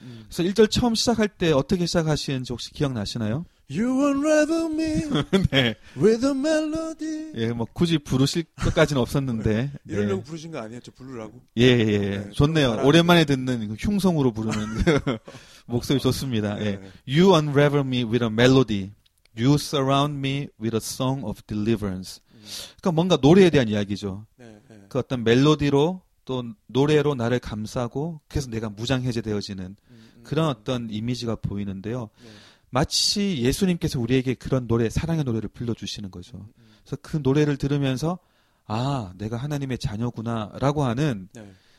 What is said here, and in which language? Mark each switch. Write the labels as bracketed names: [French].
[Korean] 그래서 1절 처음 시작할 때 어떻게 시작하시는지 혹시 기억나시나요? [English] You unravel me [Korean] 네. [English] with a melody. [Korean] 예, 뭐 굳이 부르실 것까지는 없었는데. 이러려고 네. 부르신 거 아니에요? 저 부르라고? 예, 예, 예. 네, 좋네요. 오랜만에 듣는 흉성으로 부르는 목소리 좋습니다. [English] 예. 네. You unravel me with a melody. You surround me with a song of deliverance. [Korean] 그러니까 뭔가 노래에 대한 이야기죠. 네, 네. 그 어떤 멜로디로 또 노래로 나를 감싸고 그래서 내가 무장해제되어지는 그런 어떤 이미지가 보이는데요. 네. 마치 예수님께서 우리에게 그런 노래, 사랑의 노래를 불러주시는 거죠. 그래서 그 노래를 들으면서 아, 내가 하나님의 자녀구나 라고 하는 네.